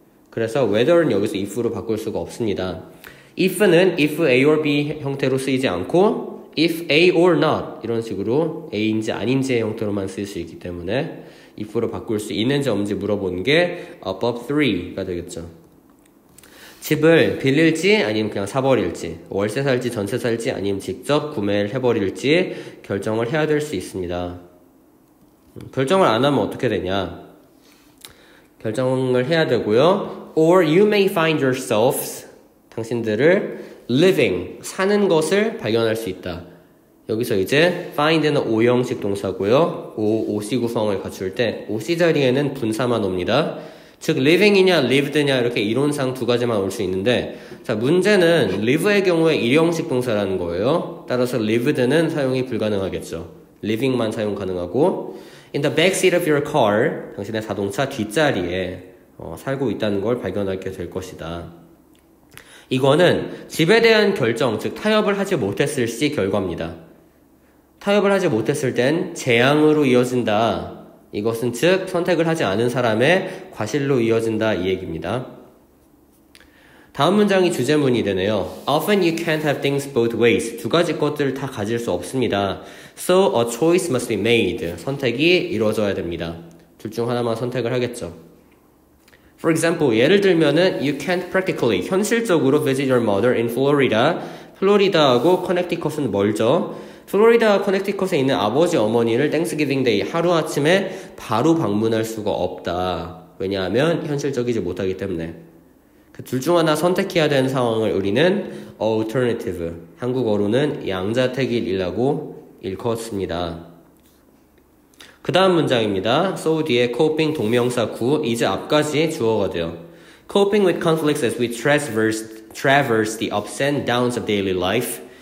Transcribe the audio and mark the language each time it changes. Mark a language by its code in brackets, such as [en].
[ko] 그래서 whether는 여기서 if로 바꿀 수가 없습니다. if는 if A or B 형태로 쓰이지 않고 if A or not 이런 식으로 A인지 아닌지의 형태로만 쓰일 수 있기 때문에 if로 바꿀 수 있는지 없는지 물어본 게 above 3가 되겠죠. 집을 빌릴지 아니면 그냥 사버릴지, 월세 살지 전세 살지 아니면 직접 구매를 해버릴지 결정을 해야 될 수 있습니다. 결정을 안 하면 어떻게 되냐? 결정을 해야 되고요. [en] Or you may find yourselves, [ko] 당신들을 living, 사는 것을 발견할 수 있다. 여기서 이제 find는 5형식 동사고요. 5시 구성을 갖출 때 5시 자리에는 분사만 옵니다. 즉 living이냐 lived냐 이렇게 이론상 두 가지만 올 수 있는데 자 문제는 live의 경우에 1형식 동사라는 거예요. 따라서 lived는 사용이 불가능하겠죠. living만 사용 가능하고 [en] in the backseat of your car [ko] 당신의 자동차 뒷자리에 살고 있다는 걸 발견하게 될 것이다. 이거는 집에 대한 결정, 즉 타협을 하지 못했을 시 결과입니다. 타협을 하지 못했을 땐 재앙으로 이어진다. 이것은 즉 선택을 하지 않은 사람의 과실로 이어진다 이 얘기입니다. 다음 문장이 주제문이 되네요. [en] Often you can't have things both ways. [ko] 두 가지 것들을 다 가질 수 없습니다. [en] So a choice must be made. [ko] 선택이 이루어져야 됩니다. 둘 중 하나만 선택을 하겠죠. [en] For example, [ko] 예를 들면은 [en] you can't practically, [ko] 현실적으로 [en] visit your mother in Florida. [ko] 플로리다하고 커넥티컷은 멀죠. 플로리다와 커넥티컷에 있는 아버지 어머니를 Thanksgiving Day 하루아침에 바로 방문할 수가 없다. 왜냐하면 현실적이지 못하기 때문에. 그 둘 중 하나 선택해야 되는 상황을 우리는 alternative, 한국어로는 양자택일이라고 읽었습니다. 그 다음 문장입니다. So 뒤에 coping 동명사 구, 이제 앞까지 주어가 돼요. [en] Coping with conflicts as we traverse the ups and downs of daily life.